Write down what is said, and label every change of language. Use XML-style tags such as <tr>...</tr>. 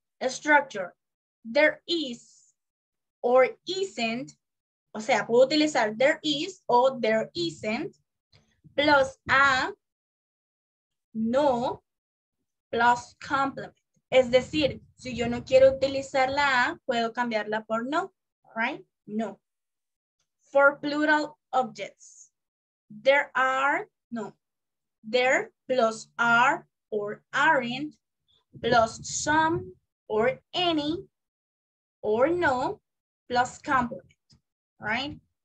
<en>A structure, there is or isn't,</en> <es>o sea, puedo utilizar</es> <en>there is or there isn't, plus a, no, plus complement.</en> <es>Es decir, si yo no quiero utilizar la a, puedo cambiarla por no, right?</es> <en>No. For plural objects. There are, no, there plus are or aren't plus some or any or no plus complement, right?</en>